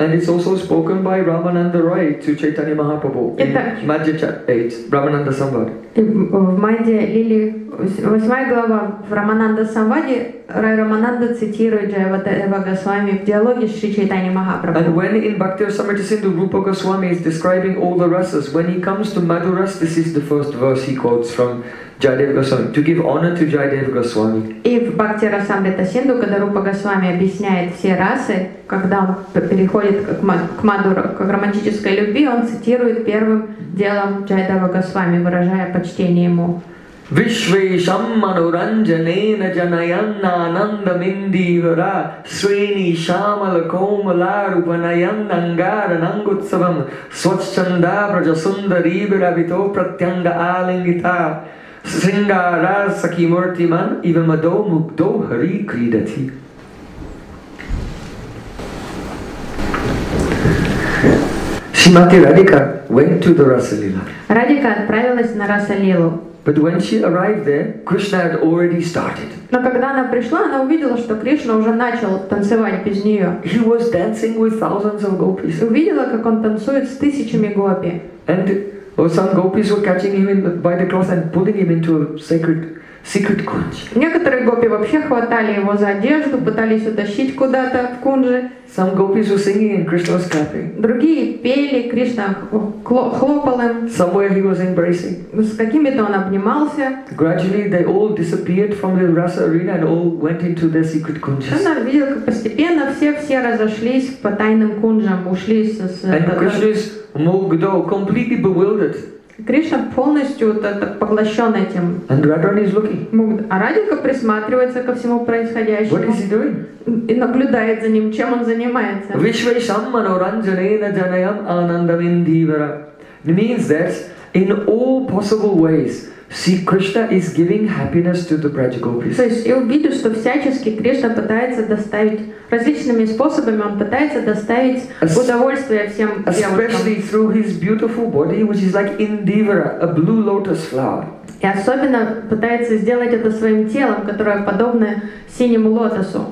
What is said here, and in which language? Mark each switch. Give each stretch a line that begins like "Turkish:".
English: And it's also spoken by Ramananda Roy to Chaitanya Mahaprabhu in Madhya 8, Ramananda Samvad.
Russian: В Мадья Лили, 8 глава, в Рамананда Самваде, Рай Рамананда цитирует Джаяватева Госвами в диалоге с Шри Чайтани Махапрабху.
English: And when in Bhaktivinoda Sindhu, Rupa Goswami is describing all the rasas, when he comes to Madhuras, this is the first verse he quotes from Jayadeva Goswami, to give honor to Jayadeva Goswami.
Russian: И в Бхакти Расамрита Синду, когда Рупа Госвами объясняет все расы, когда он переходит к Мадхуре, к романтической любви, он цитирует первым делом Джайдава Госвами, выражая почтение ему.
Sanskrit: Вишвешам мануранджанена джанаянна ананда миндивара Свени шамала комала рупанаянна ангара нангутсавам Сватчанда праджасунда рибира вито пратьянда алингита Сингара сакимуртиман ивамадо мукдо хари кридати.
English: Шимати Радика went to the Rasalila.
Russian: Радика отправилась на Расалилу.
English: But when she arrived there, Krishna had already started.
Russian: Но когда она пришла, она увидела, что Кришна уже начал танцевать без нее.
English: He was dancing with thousands of gopis.
Russian: Увидела, как он танцует с тысячами гопи.
English: And some gopis were catching him by the cloth and putting him into a secret kunj.
Russian: Некоторые гопи вообще хватали его за одежду, пытались утащить куда-то в кунжи.
English: Some gopis were singing and Krishna was clapping.
Russian: Другие пели, Кришна хлопал им.
English: Somewhere he was embracing.
Russian: С какими-то он обнимался.
English: Gradually they all disappeared from the Rasa arena and all went into their secret kunjas.
Russian: Она видела, как постепенно все разошлись по тайным кунжам, ушли с
English: And Krishna is mugdo, completely bewildered.
Russian: Кришна полностью поглощен этим.
English: And Radharani is looking.
Russian: А Радика присматривается ко всему происходящему.
English: What is he doing?
Russian: И наблюдает за ним, чем он занимается.
Sanskrit: Вишвешам мануранджанена джанаям анандаминдивара.
English: It means that in all possible ways, see, Krishna is giving happiness to the Brajagopis.
Russian: То есть, я увидел, что всячески Кришна пытается доставить, различными способами он пытается доставить удовольствие всем девушкам.
English: Especially through his beautiful body, which is like Indivara, a blue lotus flower.
Russian: И особенно пытается сделать это своим телом, которое подобно синему лотосу.